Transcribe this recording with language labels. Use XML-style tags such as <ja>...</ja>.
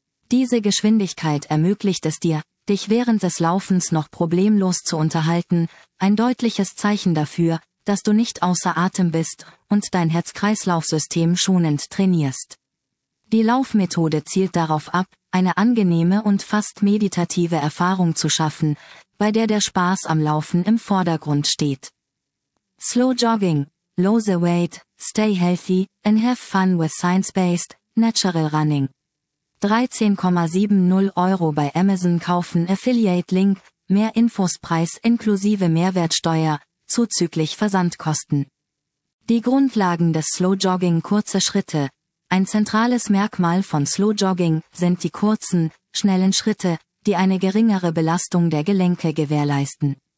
<de>Diese Geschwindigkeit ermöglicht es dir, dich während des Laufens noch problemlos zu unterhalten, ein deutliches Zeichen dafür, dass du nicht außer Atem bist und dein Herz-Kreislauf-System schonend trainierst. Die Laufmethode zielt darauf ab, eine angenehme und fast meditative Erfahrung zu schaffen, bei der der Spaß am Laufen im Vordergrund steht.</de> <en>Slow Jogging, lose the weight, stay healthy, and have fun with science-based, natural running.</en> <de>13,70 € bei Amazon kaufen, Affiliate-Link, mehr Infos, Preis inklusive Mehrwertsteuer, zuzüglich Versandkosten. Die Grundlagen des Slow Jogging: kurze Schritte. Ein zentrales Merkmal von Slow Jogging sind die kurzen, schnellen Schritte, die eine geringere Belastung der Gelenke gewährleisten.</de>